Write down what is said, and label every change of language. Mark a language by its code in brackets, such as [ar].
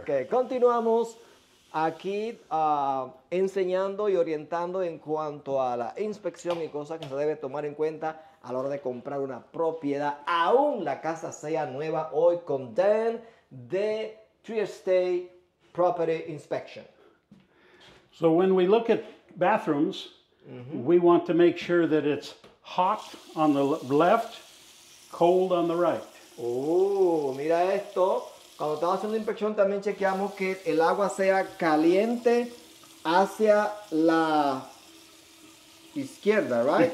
[es] Okay, continuamos aquí enseñando y orientando en cuanto a la inspección y cosas que se debe tomar en cuenta a la hora de comprar una propiedad, aún la casa sea nueva, hoy con Dan de Tree Estate Property Inspection. [en] So when we look at bathrooms, we want to make sure that it's hot on the left, cold on the right. [es] Mira esto. Cuando estamos haciendo inspección, también chequeamos que el agua sea caliente hacia la izquierda, right?